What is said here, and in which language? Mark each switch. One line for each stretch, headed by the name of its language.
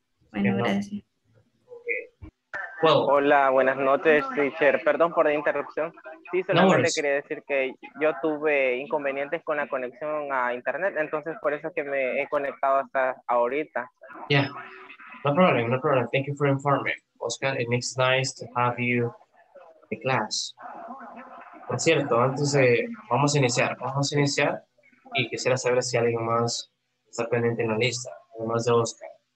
Spanish: Bueno, gracias. Hola, buenas noches, teacher. Perdón por la interrupción. Sí, solamente quería decir que yo tuve inconvenientes con la conexión a internet, entonces por eso es que me he conectado hasta ahorita.
English: Yeah, no problem. Thank you for informing. Oscar, it makes nice to have you in the class.
Spanish: Por cierto, antes de, vamos a iniciar y quisiera saber si alguien más está pendiente en la lista, además de Oscar.